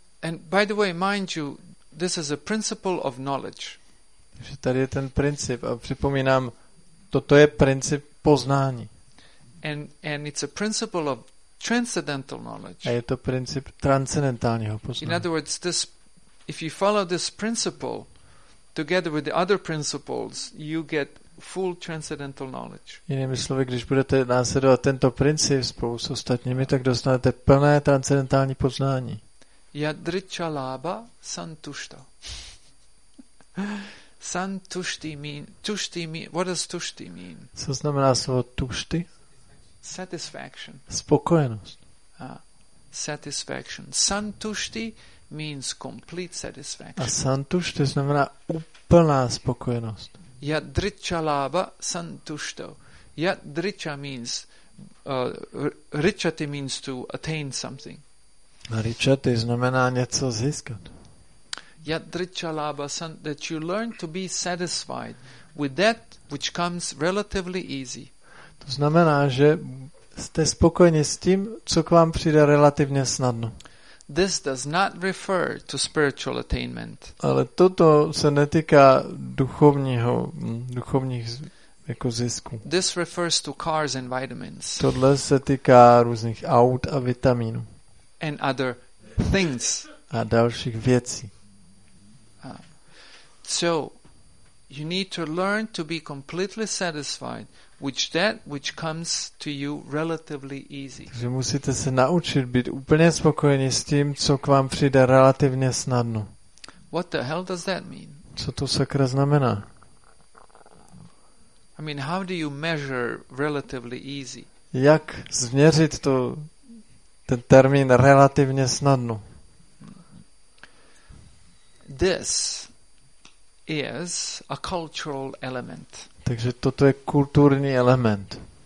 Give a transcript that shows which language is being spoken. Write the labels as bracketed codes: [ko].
[en] And by the way, mind you, this is a principle of knowledge. [cs] Tady je ten princip a připomínám, toto je princip poznání. [en] and it's a principle of transcendental knowledge. [cs] A je to princip transcendentálního poznání. [en] In other words, this, if you follow this principle together with the other principles, you get full transcendental knowledge. [cs] Jinými slovy, když budete následovat tento princip spolu s ostatními, tak dostanete plné transcendentální poznání. [sa] Yadrcha labha santushta. [en] Santushti mean tushti mean. What does tushti mean? [cs] Co znamená slovo tušti? [en] Satisfaction. [cs] Spokojenost. [en] Satisfaction. Santushti means complete satisfaction. [cs] A santushti znamená úplná spokojenost. [sa] Yadrcha labha santushto. [en] Yadrcha means richati means to attain something. [cs] Richati znamená něco získat. [sa] Yadrcha labha santushto, [en] that you learn to be satisfied with that which comes relatively easy. [cs] To znamená, že jste spokojeni s tím, co k vám přijde relativně snadno. [en] This does not refer to spiritual attainment. [cs] Ale toto se netýká duchovního, duchovních jako zisku. [en] This refers to cars and vitamins. [cs] Tohle se týká různých aut a vitaminů. [en] And other things. [cs] A dalších věcí. [en] So you need to learn to be completely satisfied with that which comes to you relatively easy. [cs] Takže musíte se naučit být úplně spokojeni s tím, co k vám přijde relativně snadno. [en] What the hell does that mean? [cs] Co to sakra znamená? [en] I mean, how do you measure relatively easy? [cs] Jak změřit to ten termín relativně snadno? [en] This is a cultural element. [cs] Takže toto je kulturní element.